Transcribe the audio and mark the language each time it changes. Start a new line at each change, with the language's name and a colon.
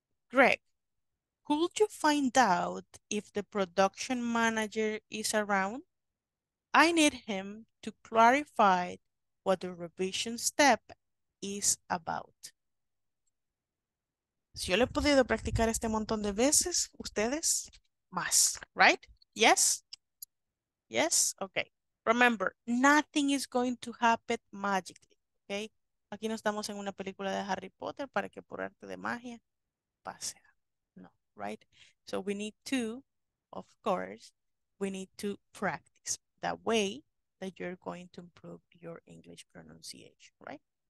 English: Greg, could you find out if the production manager is around? I need him to clarify what the revision step is about.
Spanish: Si yo le he podido practicar este montón de veces, ustedes más,
English: right? Yes? Yes? Okay. Remember, nothing is going to happen magically, okay?
Spanish: Aquí no estamos en una película de Harry Potter para que por arte de magia pase. No,
English: right? So we need to of course, we need to practice that way that you're going to improve your English pronunciation, right?